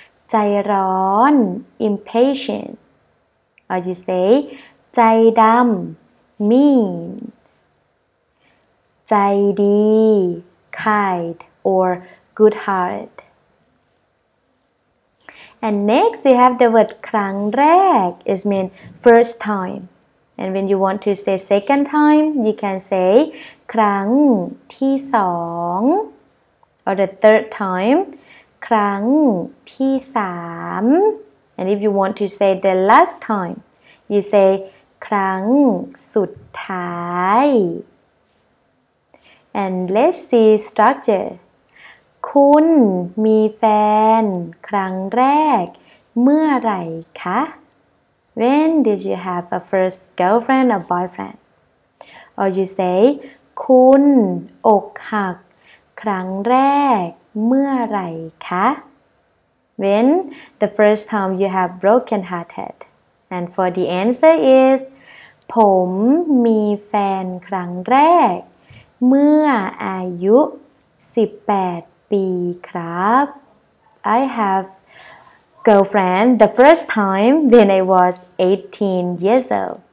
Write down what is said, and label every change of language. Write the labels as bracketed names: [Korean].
[English] Jai ron, impatient. Or you say jai dam, mean. Jai di, kind or good heart. And next we have the word krang rek, it means first time. And when you want to say second time, you can say [Thai] ครั้งที่สอง [English] or the third time, [Thai] ครั้งที่สาม [English] and if you want to say the last time, you say [Thai] ครั้งสุดท้าย [English] and let's see structure. [Thai] คุณมีแฟนครั้งแรกเมื่อไหร่คะ [English] When did you have a first girlfriend or boyfriend? Or you say, [Thai] คุณอกหักครั้งแรกเมื่อไหร่คะ? [English] When the first time you have broken hearted? And for the answer is, [Thai] ผมมีแฟนครั้งแรกเมื่ออายุ18ปีครับ [English] I haveGirlfriend, the first time when I was 18 years old.